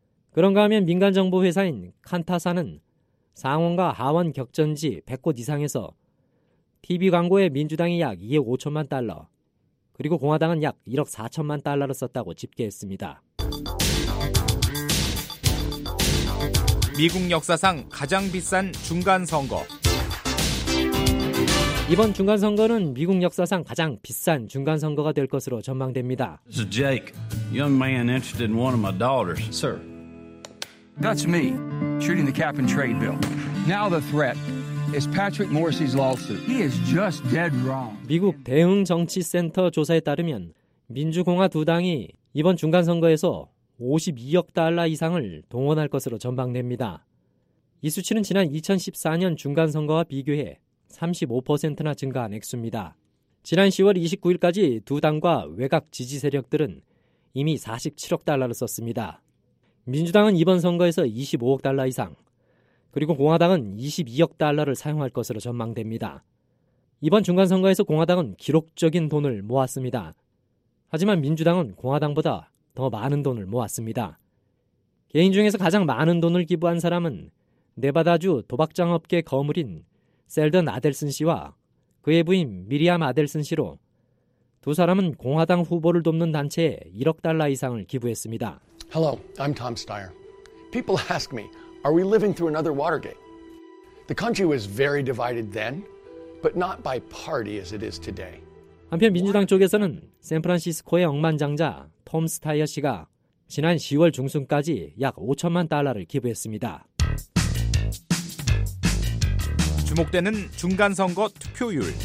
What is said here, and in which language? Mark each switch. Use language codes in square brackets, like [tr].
[ko] 그런가 하면 민간정보회사인 칸타사는 상원과 하원 격전지 100곳 이상에서 TV 광고에 민주당이 약 2억 5천만 달러, 그리고 공화당은 약 1억 4천만 달러를 썼다고 집계했습니다. 미국 역사상 가장 비싼 중간선거. 이번 중간선거는 미국 역사상 가장 비싼 중간선거가 될 것으로 전망됩니다. [en] This is Jake, young man interested in one of my daughters. Sir, that's me, shooting the cap and trade bill. Now the threat is Patrick Morrissey's lawsuit. He is just dead wrong. [ko] 미국 대응정치센터 조사에 따르면 민주공화 두 당이 이번 중간선거에서 52억 달러 이상을 동원할 것으로 전망됩니다. 이 수치는 지난 2014년 중간선거와 비교해 35%나 증가한 액수입니다. 지난 10월 29일까지 두 당과 외곽 지지 세력들은 이미 47억 달러를 썼습니다. 민주당은 이번 선거에서 25억 달러 이상, 그리고 공화당은 22억 달러를 사용할 것으로 전망됩니다. 이번 중간선거에서 공화당은 기록적인 돈을 모았습니다. 하지만 민주당은 공화당보다 더 많은 돈을 모았습니다. 개인 중에서 가장 많은 돈을 기부한 사람은 네바다주 도박장업계 거물인 셀던 아델슨 씨와 그의 부인 미리암 아델슨 씨로, 두 사람은 공화당 후보를 돕는 단체에 1억 달러 이상을 기부했습니다. [en] Hello, I'm Tom Steyer. People ask me, are we living through another Watergate? The country was very divided then, but not by party as it is today. [ko] 한편 민주당 쪽에서는 샌프란시스코의 억만장자 톰 스타이어 씨가 지난 10월 중순까지 약 5천만 달러를 기부했습니다. 주목되는 중간선거 투표율.